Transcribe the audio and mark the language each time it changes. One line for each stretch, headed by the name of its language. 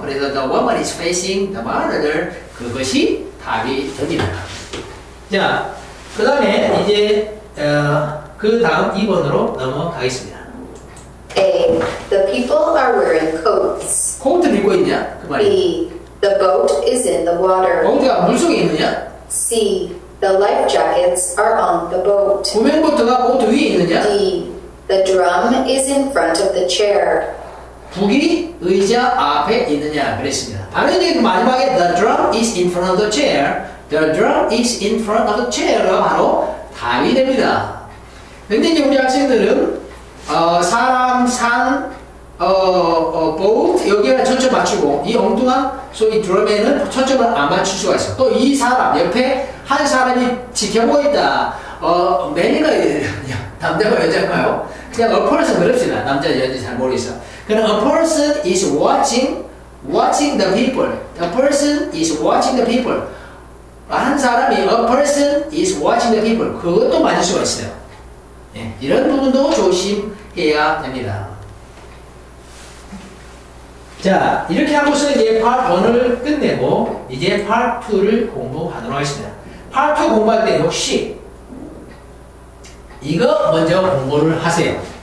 Korean: 그래서
English: the woman is facing the monitor.
Korean: 그것이 답이 됩니다. 자, 그 다음에 이제 그 다음 2번으로 넘어가겠습니다.
English: A. The people are wearing coats.
Korean: 코트를 입고 있냐? 그 말이.
English: B. The boat is in the water.
Korean: 보트가 물 속에 있느냐?
English: C. The life jackets are on the boat.
Korean: 구명보트가 보트 위에 있느냐?
English: D. The drum is in front of the chair.
Korean: 북이 의자 앞에 있느냐? 그랬습니다. 당연히 마지막에
English: the drum is in front of the chair. The drum is in front of the chair가
Korean: 바로 답이 됩니다. 근데 이제 우리 학생들은 사람, 산, boat 여기에 초점 맞추고 이 엉뚱한 소위 드럼에는 초점을 안 맞출 수가 있어. 또 이 사람 옆에 한 사람이 지켜보고 있다. 매니가 남자가 여자인가요? 그냥 a person 그럽시다. 남자 여자인지 잘 모르겠어. 그럼
English: a person is watching the people. The person is watching the people.
Korean: 한 사람이
English: a person is watching the people.
Korean: 그것도 맞을 수가 있어요. 예, 이런 부분도 조심해야 됩니다. 자, 이렇게 하고서 이제 part 1을 끝내고 이제 part 2를 공부하도록 하겠습니다. part 2 공부할 때 역시 이거 먼저 공부를 하세요.